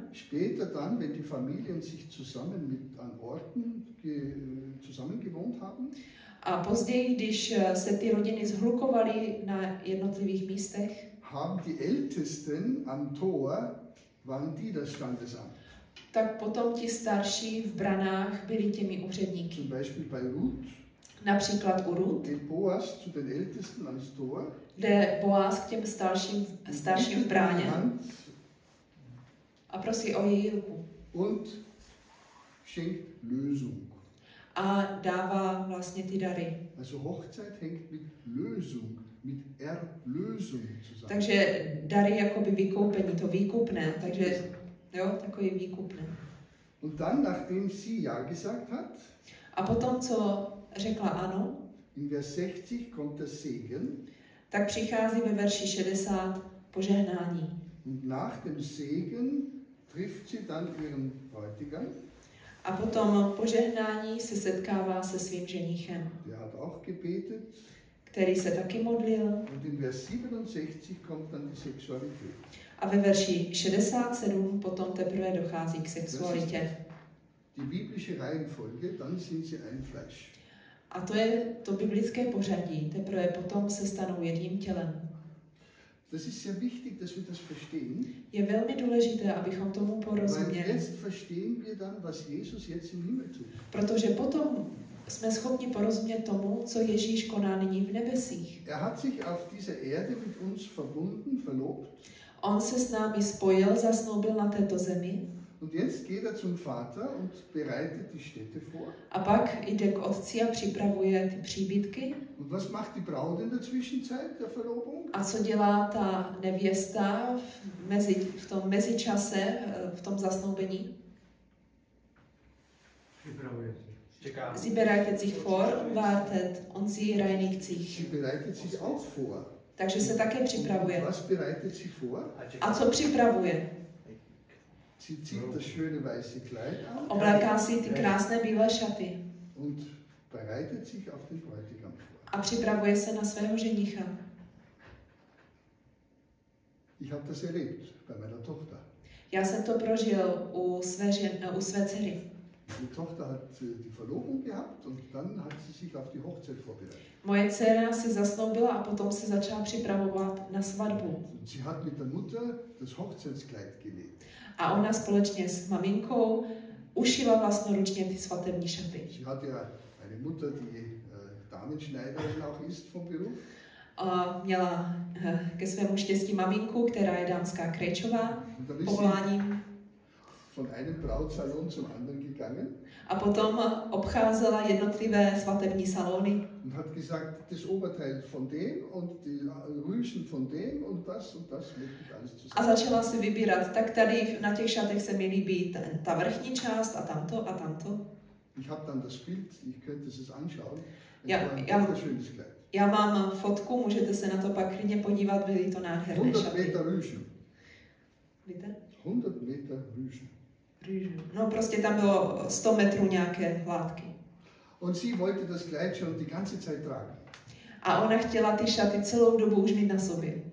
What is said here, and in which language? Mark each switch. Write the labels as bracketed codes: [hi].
[de] Später dann, wenn die Familien sich zusammen mit an Orten zusammen gewohnt haben. [cs] A později, když se ty rodiny zhlukovaly na jednotlivých místech, [de] haben die Ältesten am Tor waren die das Standesamt. [cs] Tak potom ti starší v branách byli těmi úředníky. [de] Zum Beispiel bei Ruth. [cs] Například u Ruth, [de] den Boaz zu den Ältesten ans Tor, [cs] kde Boaz k těm starším v bráně a prosí o její ruku. [de] Und schenkt Lösung. [cs] A dává vlastně ty dary. [de] Also Hochzeit hängt mit Lösung, mit Erlösung zusammen. [cs] Takže dary jakoby vykoupení, to výkupné, takže jo, takový výkupné. [de] Und dann, nachdem sie ja gesagt hat, [cs] a potom, co řekla ano, [de] in Vers 60 kommt der Segen, [cs] tak přichází ve verši 60 požehnání. [de] Und nach dem Segen trifft sie dann ihren Bräutigam. [cs] A potom požehnání se setkává se svým ženichem. [de] Der hat auch gebetet, [cs] který se taky modlil. [de] Und in Vers 67 kommt dann die Sexualität. [cs] A ve verši 67 potom teprve dochází k sexualitě. [de] Die biblische Reihenfolge, dann sind sie ein Fleisch. [cs] A to je to biblické pořadí, teprve potom se stanou jedním tělem. [de] Das ist sehr wichtig, dass wir das verstehen. [cs] Je velmi důležité, abychom tomu porozuměli. [de] Jetzt verstehen wir dann, was Jesus jetzt im Himmel tut. [cs] Protože potom jsme schopni porozumět tomu, co Ježíš koná nyní v nebesích. [de] Er hat sich auf dieser Erde mit uns verbunden, verlobt. [cs] On se s námi spojil, zasnoubil na této zemi. [de] Und jetzt geht er zum Vater und bereitet die Städte vor. [cs] A pak jde k otci a připravuje ty příbytky. [de] Und was macht die Braut in der Zwischenzeit der Verlobung? [cs] A co dělá ta nevěsta v tom mezičase, v tom zasnoubení? [de] Sie bereitet sich vor und wartet on sie ihre Reinigung. Sie bereitet sich auch vor. [cs] Takže se také připravuje. [de] Was bereitet sie vor? [cs] A co připravuje? [de] Sie zieht das schöne weiße Kleid an. [cs] Obléká si ty krásné bílé šaty. [de] Und bereitet sich auf den Bräutigam vor. [cs] A připravuje se na svého ženicha. [de] Ich habe das erlebt bei meiner Tochter. [cs] Já jsem to prožil u své dcery. [de] Die Tochter hat die Verlobung gehabt und dann hat sie sich auf die Hochzeit vorbereitet. [cs] Moje dcera se zasnoubila a potom se začala připravovat na svatbu. [de] Sie hat mit der Mutter das Hochzeitskleid genäht. [cs] A ona společně s maminkou ušila vlastnoručně ty svatební šaty. [de] Sie hat ja eine Mutter, die Damenschneiderin auch ist vom Beruf. [cs] A měla ke svému štěstí maminku, která je dámská krejčová povoláním. [de] Von einem Brautsalon zum anderen gegangen. [cs] A potom obcházela jednotlivé svatební salony. [de] Und hat gesagt, das Oberteil von dem und die Rüschen von dem und das möchte ich alles zusammen. [cs] A začala si vybírat, tak tady na těch šatech se mi líbí ta vrchní část a tamto a tamto. [de] Ich habe dann das Bild, ich könnte es anschauen. Ja, ein wunderschönes Kleid. [cs] Já mám fotku, můžete se na to pak klidně podívat, byly to nádherné šaty. [de] 100 meter Rüschen. [cs] Víte? [de] 100 meter Rüschen. [cs] No prostě tam bylo 100 metrů nějaké látky. [de] Und sie wollte das Kleid schon die ganze Zeit tragen. [cs] A ona chtěla ty šaty celou dobu už mít na sobě.